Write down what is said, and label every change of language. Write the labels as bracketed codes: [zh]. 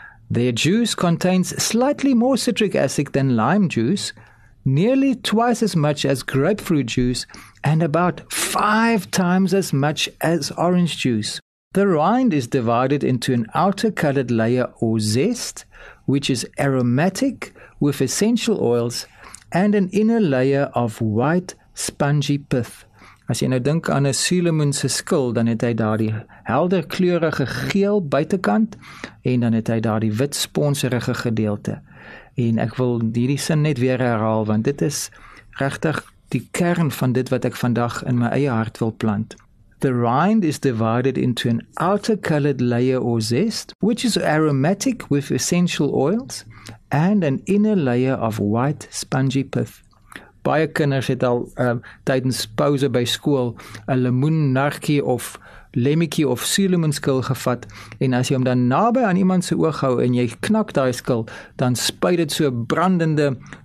[en] Their juice contains slightly more citric acid than lime juice, nearly twice as much as grapefruit juice, and about five times as much as orange juice. The rind is divided into an outer colored layer or zest, which is aromatic with essential oils, and an inner layer of white spongy pith. [af] As jy nou dink aan 'n suurlemoen se skil, dan het hy daardie helder kleurige geel buitekant en dan het hy daardie wit sponserige gedeelte. En ek wil hierdie sin net weer herhaal, want dit is regtig die kern van dit wat ek vandag in my eie hart wil plant. [en] The rind is divided into an outer colored layer or zest, which is aromatic with essential oils, and an inner layer of white spongy pith. [af] Baie kinders het al tydens pouse by skool 'n lemoennarkie of lemmikie of suurlemoenskil gevat en as jy hom dan naby aan iemand se oog hou en jy knak daai skil, dan spuit dit so brandende